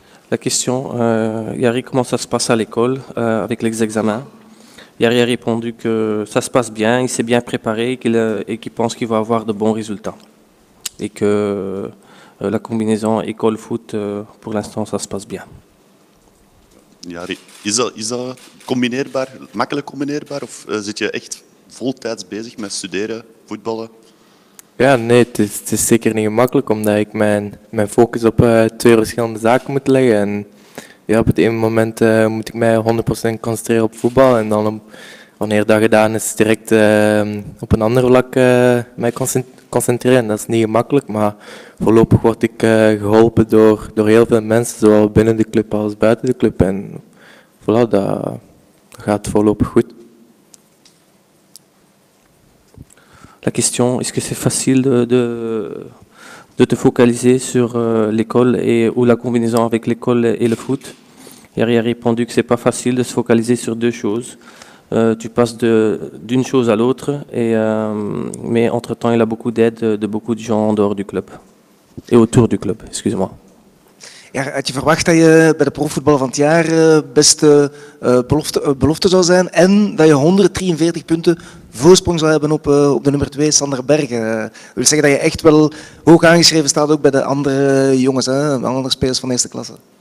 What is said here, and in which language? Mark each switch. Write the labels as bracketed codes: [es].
[fr] La question, Yari, comment ça se passe à l'école avec les examens? Yari a répondu que ça se passe bien, il s'est bien préparé et qu'il pense qu'il va avoir de bons résultats. Et que la combinaison école-foot, pour l'instant, ça se passe bien. [nl] Yari, is dat combineerbaar, makkelijk combineerbaar? Of zit je echt voltijds bezig met studeren, voetballen? Ja, nee, het is zeker niet gemakkelijk, omdat ik mijn focus op twee verschillende zaken moet leggen. En ja, op het ene moment moet ik mij 100% concentreren op voetbal. En dan, wanneer dat gedaan is, direct op een ander vlak mij concentreren. Dat is niet gemakkelijk, maar voorlopig word ik geholpen door heel veel mensen, zowel binnen de club als buiten de club. En voilà, dat gaat voorlopig goed. [fr] La question, est-ce que c'est facile de te focaliser sur l'école et ou la combinaison avec l'école et le foot? Yari a répondu que c'est pas facile de se focaliser sur deux choses. Tu passes d'une chose à l'autre, mais entre-temps, il a beaucoup d'aide de beaucoup de gens en dehors du club et autour du club. Excuse-moi. [nl] Ja, had je verwacht dat je bij de profvoetbal van het jaar beste belofte zou zijn en dat je 143 punten voorsprong zou hebben op de nummer 2, Sander Bergen? Dat wil zeggen dat je echt wel hoog aangeschreven staat ook bij de andere jongens, hè, andere spelers van eerste klasse.